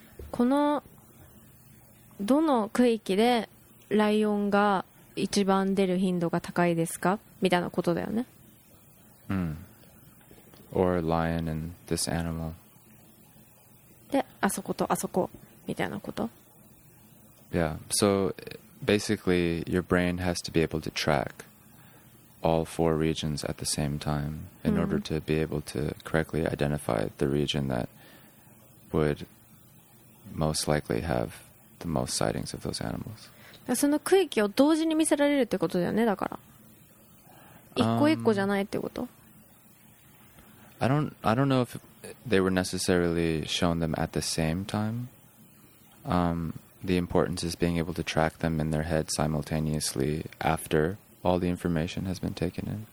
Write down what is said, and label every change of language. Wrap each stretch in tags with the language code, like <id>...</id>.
<ja>このどの区域でライオンが一番出る頻度が高いですかみたいなことだよね。</ja> <en>うん。Or lion and this animal.</en> <ja>で、あそことあそこみたいなこと。</ja> <en>Yeah. So basically, your brain has to be able to track all four regions at the same time in order to be able to correctly identify the region that would most likely have the most sightings of those animals.</en> <ja>その区域を同時に見せられるってことだよね。だから一個一個じゃないってこと。</ja> <en>I don't know if they were necessarily shown them at the same time. The importance is being able to track them in their head simultaneously after all the information has been taken in.</en>